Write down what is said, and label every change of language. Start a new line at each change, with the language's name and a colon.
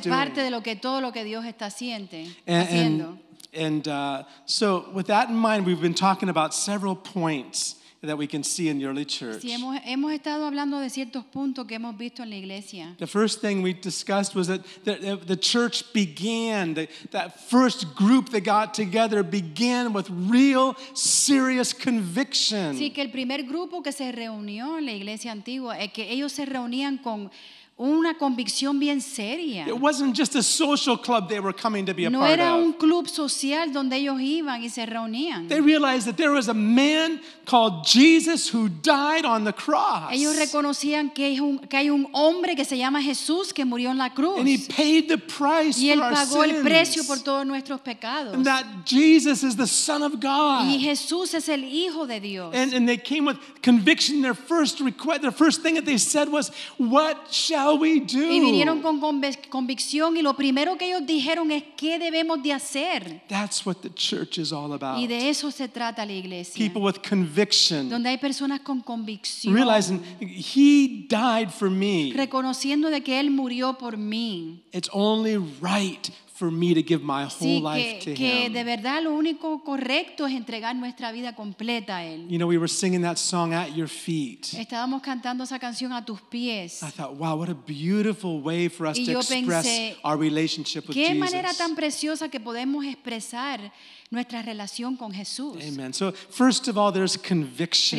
Spanish: Que quieren ser parte de lo que todo lo que Dios está haciendo.
English: And so with that in mind, we've been talking about several points that we can see in the early church.
Spanish: Sí, hemos estado hablando de ciertos puntos que hemos visto en la iglesia.
English: The first thing we discussed was that the church began, that first group that got together began with real serious conviction.
Spanish: Sí, que el primer grupo que se reunió en la iglesia antigua es que ellos se reunían con una convicción bien seria.
English: It wasn't just a social club they were coming to be a part of.
Spanish: No era un club social donde ellos iban y se reunían.
English: They realized that there was a man called Jesus who died on the cross.
Spanish: Ellos reconocían que hay un hombre que se llama Jesús que murió en la cruz.
English: And he paid the price for our sins.
Spanish: Y él pagó el precio por todos nuestros pecados.
English: And that Jesus is the Son of God.
Spanish: Y Jesús es el Hijo de Dios.
English: And they came with conviction. Their first request, their first thing that they said was, "What shall shall we do?
Spanish: Y vinieron con convicción y lo primero que ellos dijeron es qué debemos de hacer.
English: That's what the church is all about.
Spanish: Y de eso se trata la iglesia.
English: People with conviction.
Spanish: Donde hay personas con convicción.
English: Realizing he died for me.
Spanish: Reconociendo de que él murió por mí.
English: It's only right for me to give my whole life to
Spanish: que
English: him.
Spanish: De verdad lo único correcto es entregar nuestra vida completa a él.
English: You know, we were singing that song at your feet.
Spanish: Estábamos cantando esa canción a tus pies.
English: I thought, wow, what a beautiful way for us
Spanish: y
English: to express our relationship with
Spanish: qué
English: Jesus.
Spanish: Qué manera tan preciosa que podemos expresar nuestra relación con Jesús.
English: Amen. So, first of all, there's conviction.